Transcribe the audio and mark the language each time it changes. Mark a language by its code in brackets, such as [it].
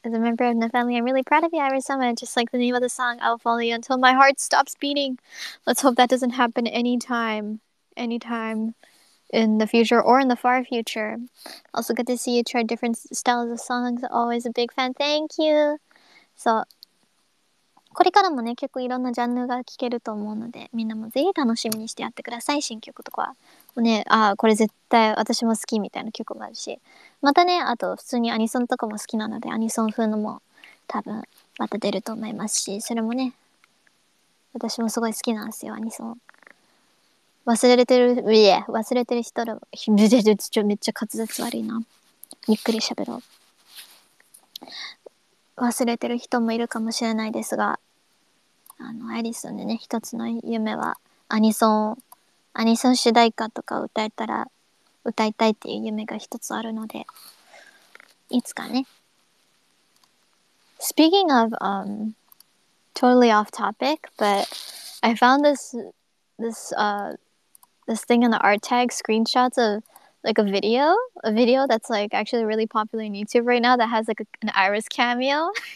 [en] As a member of Nathalie, I'm really proud of you ever so much. Just like the name of the song, I'll follow you until my heart stops beating. Let's hope that doesn't happen anytime in the future or in the far future. Also good to see you try different styles of songs. Always a big fan. Thank you. [ja] So, これからもね、結構いろんなジャンルが聴けると思うので、みんなもぜひ楽しみにしてやってください。新曲とか。ね、ああ、これ絶対私も好きみたいな曲もあるし。またね、あと普通にアニソンとかも好きなので、アニソン風のも多分また出ると思いますし、それもね、私もすごい好きなんですよ、アニソン。忘れてる人ら、めっちゃ滑舌悪いな。ゆっくり喋ろう。忘れてる人もいるかもしれないですが、あの、アイリスのね、一つの夢は、アニソン主題歌とか歌いたいっていう夢が一つあるので、いつかね。 [en] Speaking of, totally off topic, but I found this thing in the art tag, screenshots of like a video that's like actually really popular on YouTube right now that has like an Iris cameo.